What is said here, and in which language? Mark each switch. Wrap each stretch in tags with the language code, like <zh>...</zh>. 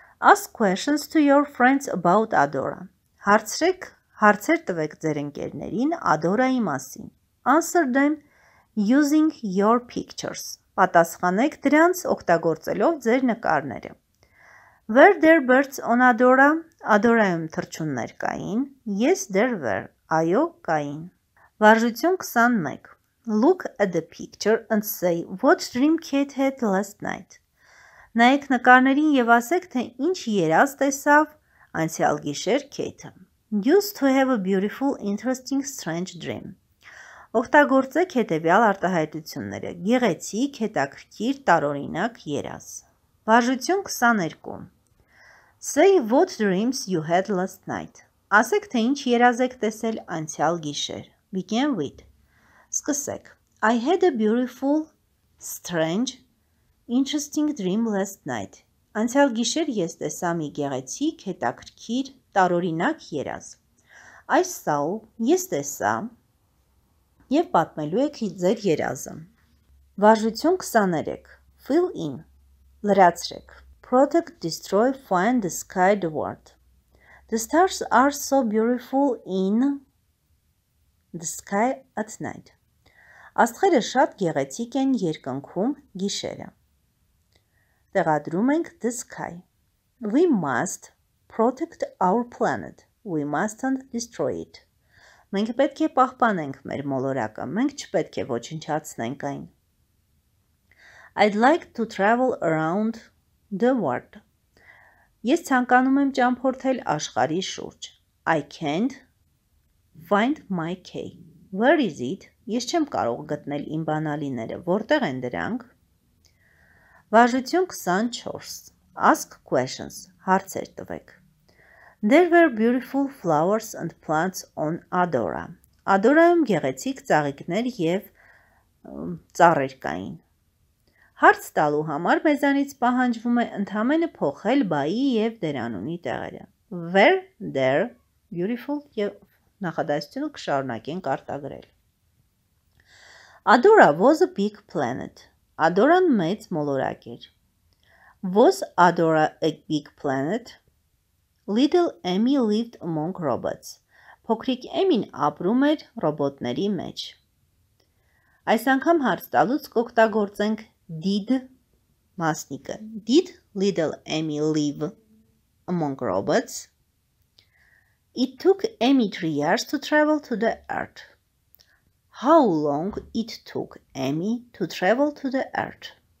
<en>Ask questions to your friends about Adora.</en> <hy>Հարցրեք, հարցեր տվեք ձեր ընկերներին Adora-ի մասին.</hy> <en>Answer them using your pictures.</en> <hy>Պատասխանեք դրանց օգտագործելով ձեր նկարները.</hy> <en>Were there birds on Adora?</en> <hy>Adora-ում թռչուններ կային?</hy> <en>Yes, there were.</en> <hy>Այո, կային. Վարժություն 21.</hy> <en>Look at the picture and say what dream Kit had last night.</en> <hy>Նայեք նկարներին եւ ասեք, թե ինչ երազ տեսավ անցյալ գիշեր Kate.</hy> <en>Used to have a beautiful, interesting, strange dream.</en> <hy>Օգտագործեք հետեւյալ արտահայտությունները. Գեղեցիկ, հետաքրքիր, տարօրինակ երազ. Վարժություն 22.</hy> <en>Say what dreams you had last night.</en> <hy>Ասեք, թե ինչ երազ եք տեսել անցյալ գիշեր.</hy> <en>Begin with.</en> <hy>Սկսեք.</hy> <en>I had a beautiful, strange, interesting dream last night.</en> <hy>Անցյալ գիշեր ես տեսա մի գեղեցիկ, հետաքրքիր, տարօրինակ երազ.</hy> <en>I saw,</en> <hy>ես տեսա, եւ պատմելու եք ձեր երազը. Վարժություն 23.</hy> <en>Fill in.</en> <hy>Լրացրեք.</hy> <en>Protect, destroy, find the sky, the world. The stars are so beautiful in the sky at night.</en> <hy>Աստղերը շատ գեղեցիկ են երկնքում գիշերը. Տեղադրում ենք</hy> <en>the sky. We must protect our planet. We mustn't destroy it.</en> <hy>Մենք պետք է պահպանենք մեր մոլորակը. Մենք չպետք է ոչնչացնենք այն.</hy> <en>I'd like to travel around the world.</en> <hy>Ես ցանկանում եմ ճամփորդել աշխարհի շուրջ.</hy> <en>I can't find my key. Where is it?</en> <hy>Ես չեմ կարող գտնել իմ բանալիները. Որտեղ են դրանք? Վարժություն 24.</hy> <en>Ask questions.</en> <hy>Հարցեր տվեք.</hy> <en>There were beautiful flowers and plants on Adora.</en> <hy>Adora-ում գեղեցիկ ծաղիկներ եւ ծառեր կային. Հարց տալու համար մեզանից պահանջվում է ընդամենը փոխել բայի եւ դերանունի տեղերը.</hy> <en>Where there beautiful</en> <hy>եւ նախադասությունը կշարունակենք արտագրել.</hy> <en>Adora was a big planet.</en> <hy>Adora-ն մեծ մոլորակ էր.</hy> <en>Was Adora a big planet? Little Amy lived among robots.</en> <hy>Փոքրիկ Amy-ն ապրում էր ռոբոտների մեջ. Այս անգամ հարց տալուց կօգտագործենք did մասնիկը.</hy> <en>Did little Amy live among robots? It took Amy 3 years to travel to the earth. How long it took Amy to travel to the earth?</en>